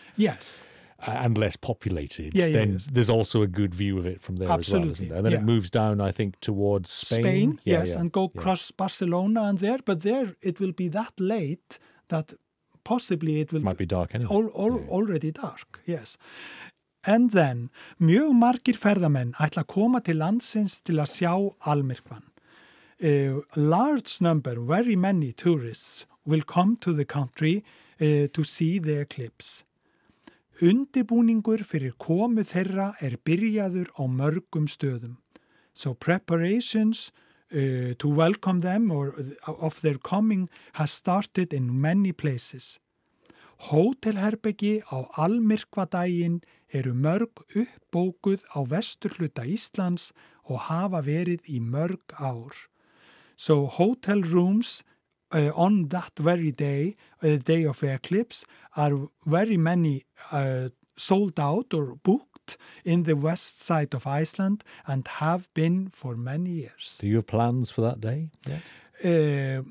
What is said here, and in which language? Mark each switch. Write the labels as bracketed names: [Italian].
[English] Yes. And less populated, then there's also a good view of it from there. Absolutely. As well, isn't there? And then it moves down, I think, towards Spain. And go across Barcelona and there. But there it will be that late that possibly it will... Might be dark anyway. Already dark, yes. And then, [Icelandic] mjög margir ferðamenn ætla að koma til landsins til að sjá almyrkvan. [English] Large number, very many tourists will come to the country to see the eclipse. [Icelandic] Undibúningur fyrir komu þeirra byrjaður á mörgum stöðum. [English] So preparations to welcome them or of their coming has started in many places. [Icelandic] Hótelherbergi á almyrkvadaginn eru mörg uppbókuð á vesturhluta Íslands og hafa verið í mörg ár. [English] So hotel rooms on that very day, the day of the eclipse, are very many sold out or booked in the west side of Iceland and have been for many years. Do you have plans for that day yet?